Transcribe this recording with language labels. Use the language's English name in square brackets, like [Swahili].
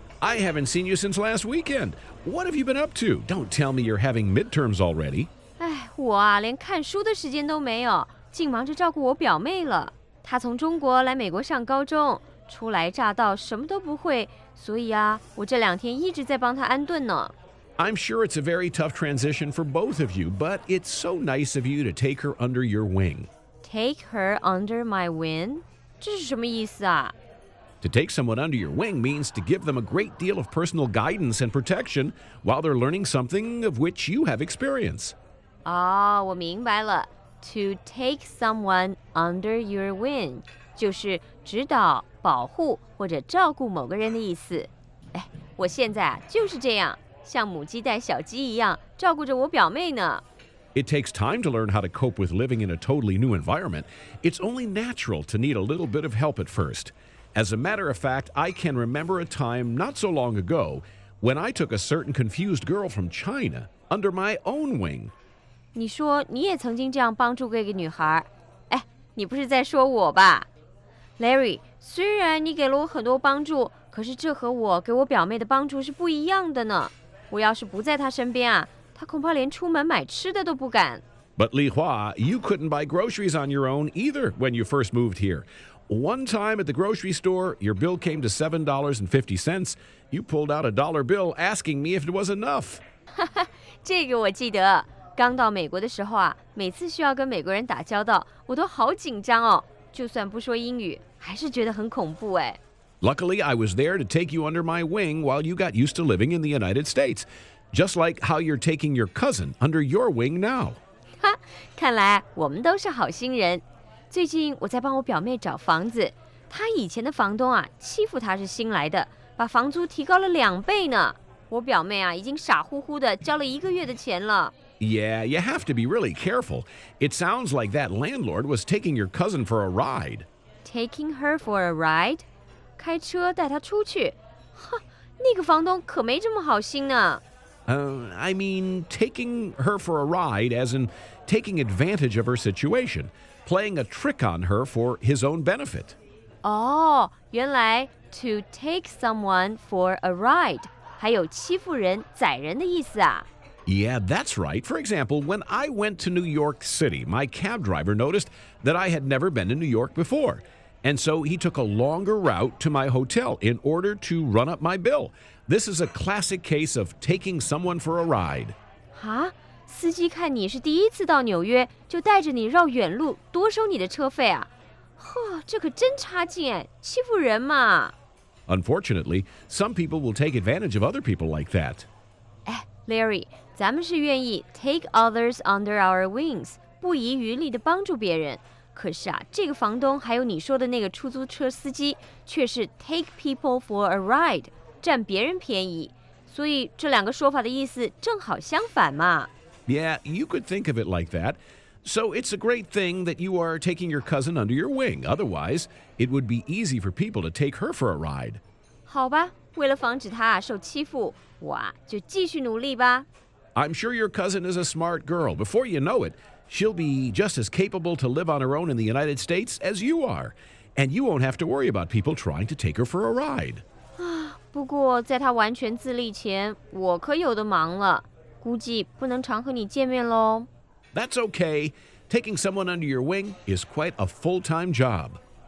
[English] I haven't seen you since last weekend. What have you been up to? Don't tell me you're having midterms already. [Chinese] 哎，我啊，连看书的时间都没有，竟忙着照顾我表妹了。她从中国来美国上高中，初来乍到，什么都不会，所以啊，我这两天一直在帮他安顿呢。 [English] I'm sure it's a very tough transition for both of you, but it's so nice of you to take her under your wing. Take her under my wing? [Chinese] 这是什么意思啊？ [English] To take someone under your wing means to give them a great deal of personal guidance and protection while they're learning something of which you have experience. [Chinese] 哦，我明白了。 [English] To take someone under your wing [Chinese] 就是指导保护或者照顾某个人的意思。哎，我现在啊就是这样，像母鸡带小鸡一样照顾着我表妹呢。 [English] It takes time to learn how to cope with living in a totally new environment. It's only natural to need a little bit of help at first. As a matter of fact, I can remember a time not so long ago when I took a certain confused girl from China under my own wing. [Chinese] 你说你也曾经这样帮助过一个女孩，哎，你不是在说我吧？ Larry, 虽然你给了我很多帮助，可是这和我给我表妹的帮助是不一样的呢。我要是不在她身边啊，她恐怕连出门买吃的都不敢。 [English] But Li Hua, you couldn't buy groceries on your own either when you first moved here. One time at the grocery store, your bill came to $7.50. You pulled out a dollar bill asking me if it was enough. [Chinese] 这个我记得。刚到美国的时候啊，每次需要跟美国人打交道，我都好紧张哦。就算不说英语，还是觉得很恐怖哎。 [English] Luckily, I was there to take you under my wing while you got used to living in the United States, just like how you're taking your cousin under your wing now. [Chinese] 哈，看来我们都是好心人。最近我在帮我表妹找房子，他以前的房东啊，欺负他是新来的，把房租提高了2倍呢。我表妹啊，已经傻乎乎的交了1个月的钱了。 [English] Yeah, you have to be really careful. It sounds like that landlord was taking your cousin for a ride. Taking her for a ride? [Chinese] 开车带她出去？哼，那个房东可没这么好心呢。 [English] I mean, taking her for a ride, as in taking advantage of her situation, playing a trick on her for his own benefit. [Chinese] Oh, 原来 [English] to take someone for a ride [Chinese] 还有欺负人、宰人的意思啊。 [English] Yeah, that's right. For example, when I went to New York City, my cab driver noticed that I had never been to New York before. And so he took a longer route to my hotel in order to run up my bill. This is a classic case of taking someone for a ride. [Chinese] 啊，司机看你是第一次到纽约，就带着你绕远路，多收你的车费啊。呵，这可真差劲哎，欺负人嘛。 [English] Unfortunately, some people will take advantage of other people like that. [Chinese] Eh, Larry,咱们是愿意 [English] take others under our wings, [Chinese] 不遗余力地帮助别人。可是啊，这个房东还有你说的那个出租车司机却是 [English] take people for a ride, [Chinese] 占别人便宜。所以这两个说法的意思正好相反嘛。 [English] Yeah, you could think of it like that. So it's a great thing that you are taking your cousin under your wing. Otherwise, it would be easy for people to take her for a ride. [Chinese] 好吧，为了防止她受欺负，我啊，就继续努力吧。 [English] I'm sure your cousin is a smart girl. Before you know it, she'll be just as capable to live on her own in the United States as you are. And you won't have to worry about people trying to take her for a ride. [Chinese] 不过在她完全自立前，我可有的忙了，估计不能常和你见面咯。 [English] That's okay. Taking someone under your wing is quite a full-time job.